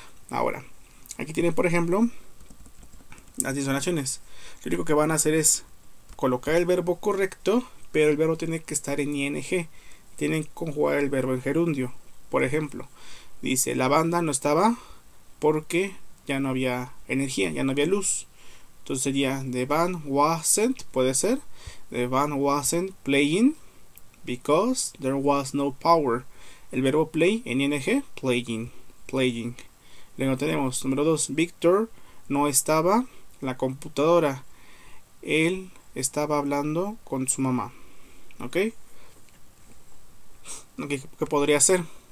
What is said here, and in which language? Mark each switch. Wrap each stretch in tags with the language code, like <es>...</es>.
<es>Ahora, aquí tienen, por ejemplo, las 10 oraciones. Lo único que van a hacer es colocar el verbo correcto, pero el verbo tiene que estar en ing. Tienen que conjugar el verbo en gerundio. Por ejemplo, dice: la banda no estaba porque ya no había energía, ya no había luz. Entonces sería:</es> <en>the band wasn't,</en> <es>puede ser,</es> <en>the band wasn't playing because there was no power.</en> <es>El verbo play en ing, playing, playing. Luego tenemos número 2, Victor no estaba en la computadora. Él estaba hablando con su mamá. ¿Ok? ¿Qué podría hacer?</es>